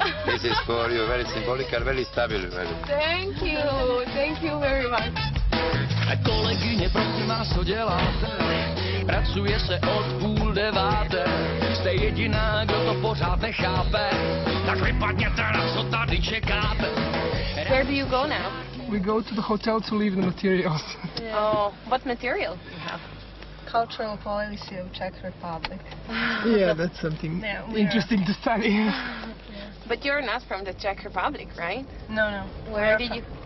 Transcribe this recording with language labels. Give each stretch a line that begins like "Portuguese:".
English: This is for you, very symbolic and very stable. Thank you very much.
Czech: A kolegyně, prosím vás, co děláte? Pracuje se od 8:30. Jste jediná, kdo to pořád nechápe. Tak vypadněte, na co tady čekáte.
English: Where do you go now? We go to the hotel to leave the materials. Oh, what material do you have? Cultural policy of Czech Republic. Yeah, that's something interesting to study. But you're not from the Czech Republic, right? No. Where did you?